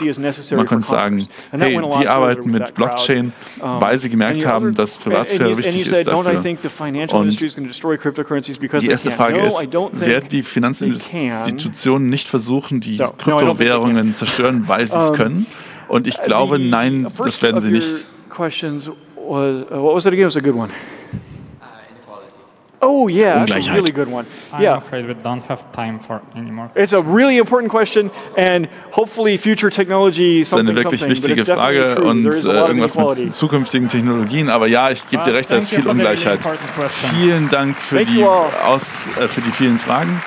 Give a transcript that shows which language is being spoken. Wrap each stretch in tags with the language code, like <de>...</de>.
<de>Man könnte sagen, hey, die arbeiten mit Blockchain, weil sie gemerkt haben, dass Privatsphäre wichtig ist dafür. Und die erste Frage ist, werden die Finanzinstitutionen nicht versuchen, die Kryptowährungen zerstören, weil sie es können? Und ich glaube, nein, das werden sie nicht.</de> <en>What was it again? It was a good one. Oh yeah, that's a really good one. Yeah. I'm afraid we don't have time for anymore. It's a really important question, and hopefully future technology.</en> <de>Es ist eine wirklich wichtige Frage und irgendwas mit zukünftigen Technologien. Aber ja, ich gebe dir recht, da ist viel Ungleichheit. Vielen Dank für die für die vielen Fragen.</de>